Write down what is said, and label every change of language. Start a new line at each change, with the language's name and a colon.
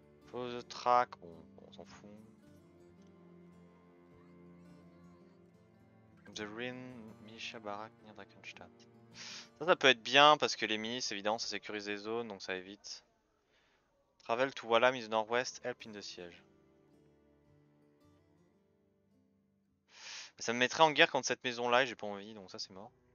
French: Pose de track, bon, on s'en fout. The Rin Misha Barak near Drakenstadt. Ça peut être bien parce que les milices évidemment ça sécurise les zones donc ça évite.
English: Travel to Walam is northwest, help in the siege.
French: Ça me mettrait en guerre contre cette maison là et j'ai pas envie donc ça c'est mort.